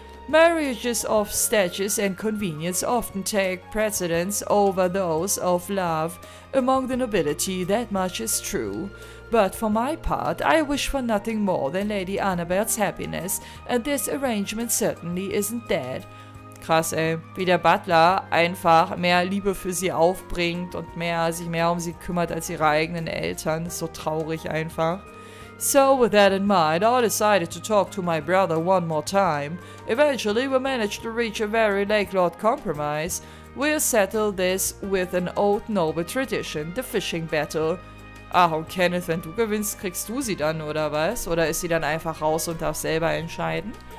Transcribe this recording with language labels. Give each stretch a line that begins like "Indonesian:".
English: Marriages of status and convenience often take precedence over those of love among the nobility, that much is true. But for my part, I wish for nothing more than Lady Annabelle's happiness, and this arrangement certainly isn't that.
German: Krass, ey, wie der Butler einfach mehr Liebe für sie aufbringt und mehr sich mehr um sie kümmert als ihre eigenen Eltern. Ist so traurig einfach.
English: So with that in mind, I decided to talk to my brother one more time. Eventually, we managed to reach a very Lakelord compromise. We'll settle this with an old noble tradition, the fishing battle.
German: Ach, und Kenneth, wenn du gewinnst, kriegst du sie dann, oder was? Oder ist sie dann einfach raus und darf selber entscheiden?